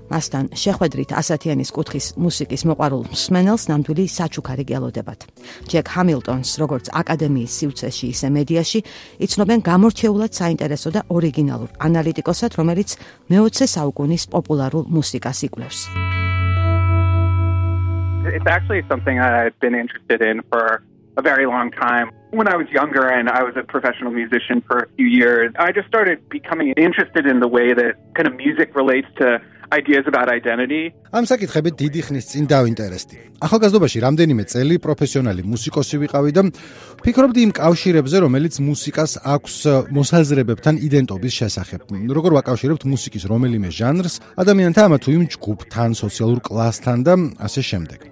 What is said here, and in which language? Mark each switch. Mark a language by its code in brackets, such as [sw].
[ka] მასთან შეხვედრით ასათიანის კუთხის მუსიკის მოყვარულ მსმენელს ნამდვილი საჩუქარი გელოდებათ. ჯეკ ჰამილტონს, როგორც აკადემიის სივრცეში, ისე მედიაში, იცნობენ გამორჩეულად საინტერესო და ორიგინალურ ანალიტიკოსად, რომელიც მეოცე საუკუნის პოპულარულ მუსიკას იკვლევს. [en] It's actually something I've been interested in for a very long time. When I was younger and I was a professional musician for a few years, I just started becoming interested in the way that kind of music relates to ideas about identity. [ka] ამ საკითხებით დიდი ხნის წინ დავინტერესდი. ახალგაზრდობაში რამდენიმე წელი პროფესიონალი მუსიკოსი ვიყავი და ფიქრობდი იმ კავშირებზე, რომელიც მუსიკას აქვს მოსაზრებებთან იდენტობის შესახებ. როგორ ვაკავშირებთ მუსიკის რომელიმე ჟანრს ადამიანთან, ამა თუ იმ ჯგუფთან, სოციალურ კლასთან და ასე შემდეგ.